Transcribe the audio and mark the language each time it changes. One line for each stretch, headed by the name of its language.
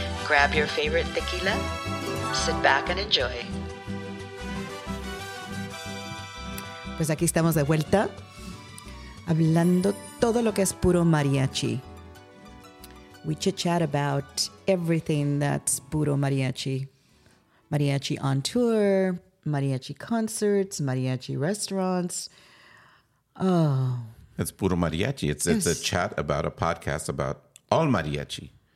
English: Grab your favorite tequila, sit back and enjoy.
Spanish: Pues aquí estamos de vuelta, hablando todo lo que es puro mariachi.
English: We chit-chat about everything that's puro mariachi. Mariachi on tour, mariachi concerts, mariachi restaurants. Oh, it's puro mariachi. It's a chat about a podcast about all mariachi.